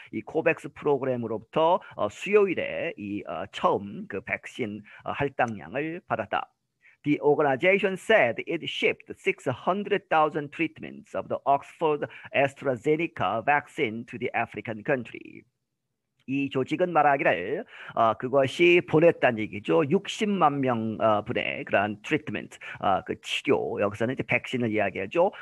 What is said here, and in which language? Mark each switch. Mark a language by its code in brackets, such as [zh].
[ko] 이 COVAX 프로그램으로부터 수요일에 이 처음 그 백신 할당량을 받았다. [en] The organization said it shipped 600,000 treatments of the Oxford AstraZeneca vaccine to the African country. [ko] 이 조직은 말하기를 그것이 보냈다는 얘기죠. 60만 명 분의 그런 트리트먼트, 그 치료, 여기서는 이제 백신을 이야기하죠.